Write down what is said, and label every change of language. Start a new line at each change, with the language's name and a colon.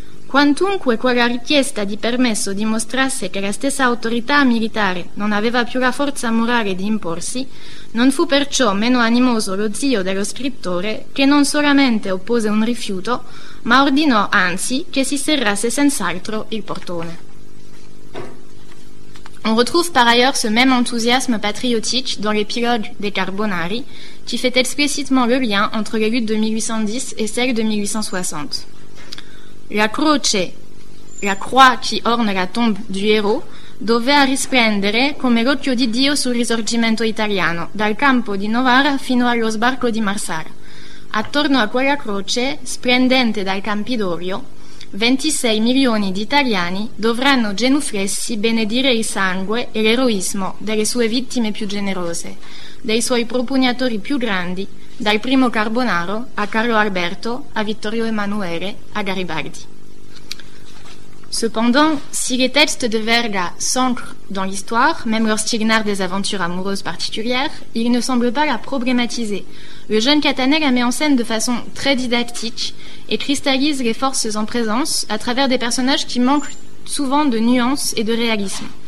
Italian: Quantunque quella richiesta di permesso dimostrasse che la stessa autorità militare non aveva più la forza morale di imporsi, non fu perciò meno animoso lo zio dello scrittore, che non solamente oppose un rifiuto, ma ordinò anzi che si serrasse senz'altro il portone.
French: On retrouve par ailleurs ce même enthousiasme patriotique dans l'épilogue des Carbonari, qui fait explicitement le lien entre les luttes de 1810 et celles de 1860.
Italian: La croce,
French: la croix
Italian: qui orne la tombe du héros, doveva risplendere come l'occhio di Dio sul risorgimento italiano, dal campo di Novara fino allo sbarco di Marsala. Attorno a quella croce, splendente dal Campidoglio, 26 milioni di italiani dovranno genuflessi benedire il sangue e l'eroismo delle sue vittime più generose, dei suoi propugnatori più grandi, dal primo Carbonaro a Carlo Alberto, a Vittorio Emanuele, a Garibaldi.
French: Cependant, si les textes de Verga s'ancrent dans l'histoire, même lorsqu'ils narrent des aventures amoureuses particulières, ils ne semblent pas la problématiser. Le jeune Catanet la met en scène de façon très didactique et cristallise les forces en présence à travers des personnages qui manquent souvent de nuances et de réalisme.